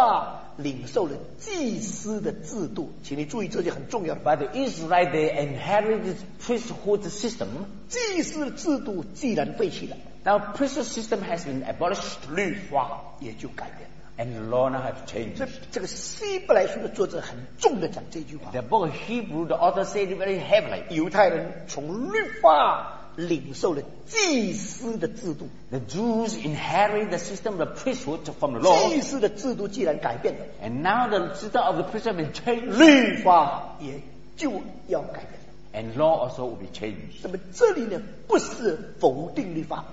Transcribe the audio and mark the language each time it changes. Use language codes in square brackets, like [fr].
[zh] 因为以色列人从律法领受了祭司的制度, 请你注意这些很重要的, [en] but the Israelites, they inherited this priesthood system. [zh] 祭司制度既然废弃了, [en] now priesthood system has been abolished, [zh] 律法也就改变了, [en] and the law now have changed. [zh] 这个希伯来书的作者很重的讲这句话, [en] the book of Hebrew, the author said it very heavily. [zh] 犹太人从律法领受了祭司的制度, [en] the Jews inherit the system of the priesthood from the law. [zh] 祭司的制度既然改变了, [en] and now the system of the priesthood has been changed, [zh] 律法也就要改变了, [en] and law also will be changed. [zh] 那么这里呢, 不是否定律法,